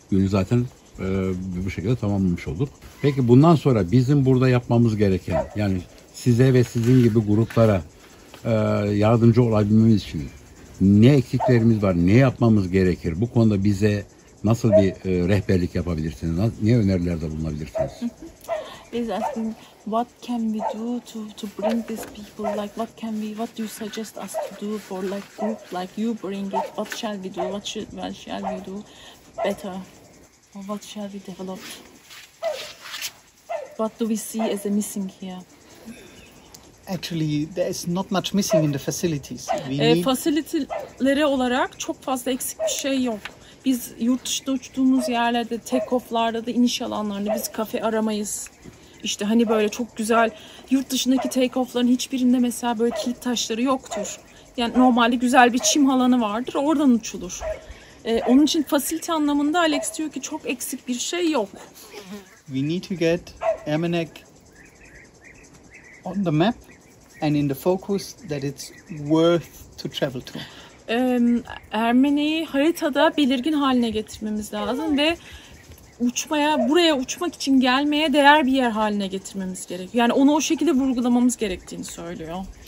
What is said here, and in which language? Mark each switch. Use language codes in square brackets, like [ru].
[tr] Günü zaten bu şekilde tamamlamış olduk. Peki bundan sonra bizim burada yapmamız gereken, yani size ve sizin gibi gruplara yardımcı olabilmemiz için ne eksiklerimiz var, ne yapmamız gerekir? Bu konuda bize nasıl bir rehberlik yapabilirsiniz, ne önerilerde bulunabilirsiniz? Biz aslında... [en] What can we do to bring these people? Like, what can we? What do you suggest us to do for like group? Like, you bring it. What shall we do? What shall we do better? Or what shall we develop? What do we see as a missing here? Actually, there is not much missing in the facilities. [tr] Facility'lere olarak çok fazla eksik bir şey yok. Biz yurt dışında uçtuğumuz yerlerde, take-off'larda da, iniş alanlarında biz kafe aramayız. İşte hani böyle çok güzel yurt dışındaki take-off'ların hiçbirinde mesela böyle kilit taşları yoktur. Yani normalde güzel bir çim alanı vardır, oradan uçulur. Onun için facility anlamında Alex diyor ki çok eksik bir şey yok. [en] We need to get Emenek on the map and in the focus that it's worth to travel to. [tr] Ermeni'yi haritada belirgin haline getirmemiz lazım ve uçmaya, buraya uçmak için gelmeye değer bir yer haline getirmemiz gerekiyor. Yani onu o şekilde vurgulamamız gerektiğini söylüyor.